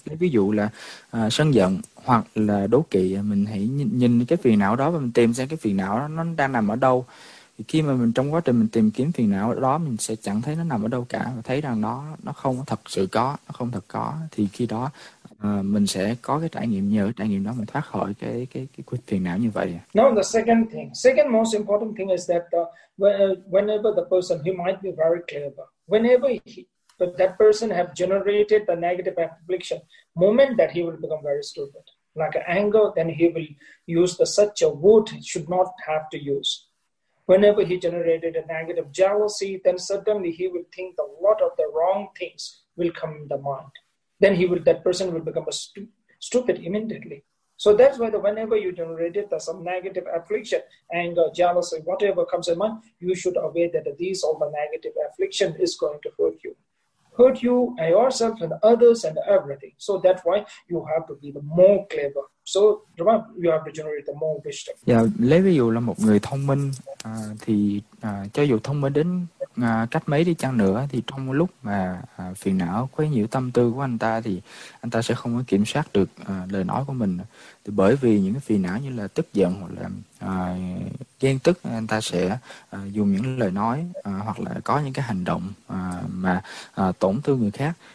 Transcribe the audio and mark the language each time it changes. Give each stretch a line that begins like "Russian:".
Vietnamese: Lấy ví dụ là sân giận hoặc là đố kỵ, mình hãy nhìn cái phiền não đó và mình tìm xem cái phiền não đó nó đang nằm ở đâu. Thì khi mà mình trong quá trình mình tìm kiếm phiền não đó, mình sẽ chẳng thấy nó nằm ở đâu cả, và thấy rằng nó không thật sự có, nó không thật có. Thì khi đó mình sẽ có cái trải nghiệm, nhờ trải nghiệm đó mình thoát khỏi cái phiền não như vậy.
English: Now the second most important thing is that whenever the person, he might be very clever, whenever that person have generated the negative affliction, moment that he will become very stupid, like anger, then he will use the such a word he should not have to use. Whenever he generated a negative jealousy, then suddenly he will think a lot of the wrong things will come in the mind. Then that person will become a stupid immediately. So that's why whenever you generated some negative affliction, anger, jealousy, whatever comes in mind, you should aware that these all the negative affliction is going to hurt you. Hurt you and yourself and others and everything. So that's why you have to be the more clever. So you have to generate the more wisdom.
Vietnamese: Yeah, lấy ví dụ là một người thông minh, thì cho dù thông minh đến cách mấy đi chăng nữa, thì trong lúc mà phiền não quấy nhiễu tâm tư của anh ta thì anh ta sẽ không có kiểm soát được lời nói của mình. Thì bởi vì những cái phiền não như là tức giận hoặc là ghen tức, anh ta sẽ dùng những lời nói hoặc là có những cái hành động mà tổn thương người khác.